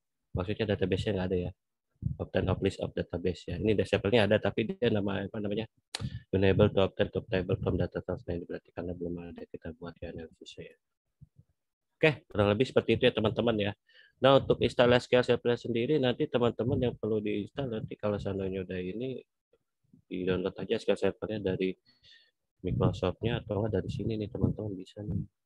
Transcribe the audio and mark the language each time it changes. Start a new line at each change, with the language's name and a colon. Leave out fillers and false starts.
Indonesian: Maksudnya database-nya nggak ada ya?
English: Obtain of list of database
Indonesian: ya. Ini disable-nya ada tapi dia nama apa namanya?
English: Unable to obtain top table from data source.
Indonesian: Nah, ini berarti karena belum ada kita buat ya analisis ya. Oke, kurang lebih seperti itu ya teman-teman ya. Nah, untuk install SQL Server sendiri nanti teman-teman yang perlu diinstal nanti kalau seandainya udah ini di download aja SQL Server-nya dari Microsoft-nya atau enggak dari sini nih teman-teman bisa nih.